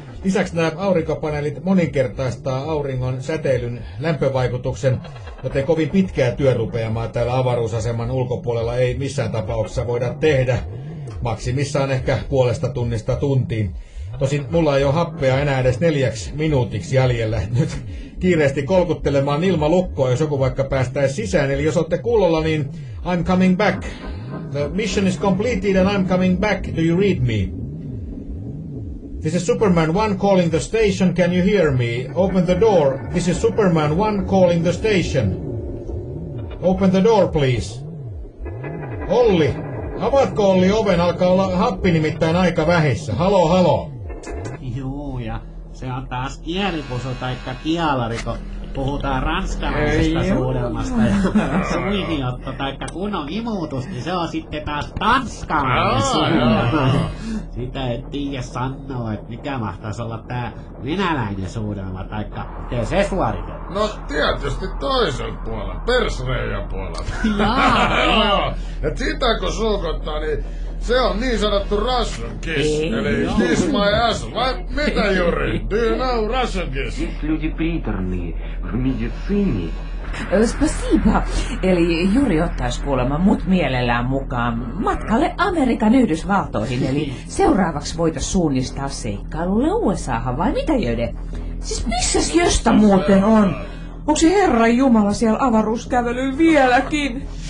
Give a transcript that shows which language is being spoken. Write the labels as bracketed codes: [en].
[fi] Lisäksi nämä aurinkopaneelit moninkertaistaa auringon säteilyn lämpövaikutuksen, joten kovin pitkää työrupeamaa täällä avaruusaseman ulkopuolella ei missään tapauksessa voida tehdä. Maksimissaan ehkä 1,5 tunnista tuntiin. Tosin mulla ei ole happea enää edes 4 minuutiksi jäljellä. Nyt kiireesti kolkuttelemaan ilmalukkoa, jos joku vaikka päästäisi sisään. Eli jos olette kuulolla, niin [en] I'm coming back. The mission is completed and I'm coming back. Do you read me? This is Superman 1 calling the station. Can you hear me? Open the door. This is Superman 1 calling the station. Open the door, please. Olli, [fi] avaatko Olli oven? Alkaa olla happi nimittäin aika vähissä. Halo, halo. Juu, ja se on taas kielipuso taikka kialari, kun puhutaan ranskalaisesta suudelmasta. Ja suihiotto taikka kunnon imutus, niin se on sitten taas tanskalainen suudelma. Sitä en tiedä sanoa, että mikä mahtaisi olla tää venäläinen suudelma, taikka miten se suoritetaan. No tietysti toisen puolen, persreijan puolen. Joo. Et sitä kun suukottaa, niin se on niin sanottu [en] Russian kiss, [fi] eli [en] kiss my ass, [fi] vai mitä Juri? [en] Do you know Russian kiss? [ru] Есть люди приторные в медицине. Спасибо. [fi] Eli Juri ottais kuulemma mut mielellään mukaan matkalle Amerikan Yhdysvaltoihin, eli seuraavaksi voitais suunnistaa seikkailulle USAhan, vai mitä Jöde? Siis missäs Jöstä muuten on? Onks se Herran Jumala siellä avaruuskävelyyn vieläkin?